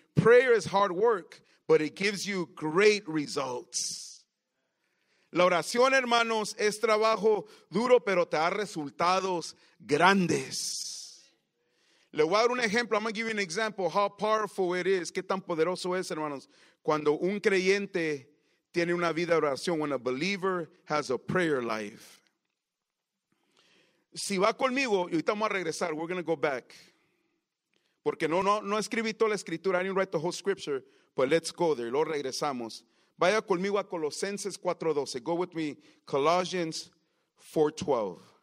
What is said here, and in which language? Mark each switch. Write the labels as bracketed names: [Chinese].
[English] Prayer is hard work, but it gives you great results. [Spanish] La oración, hermanos, es trabajo duro, pero te da resultados grandes. Le voy a dar un ejemplo. [English] I'm going to give you an example of how powerful it is. [Spanish] Qué tan poderoso es, hermanos, cuando un creyente tiene una vida de oración. [English] When a believer has a prayer life. [Spanish] Si va conmigo, y ahorita vamos a regresar. [English] We're going to go back. [Spanish] Porque no escribí toda la escritura. [English] I didn't write the whole scripture. But let's go there. [Spanish] Lo regresamos. Vaya conmigo a Colosenses 4:12. [English] Go with me. [Spanish] Colossians 4:12.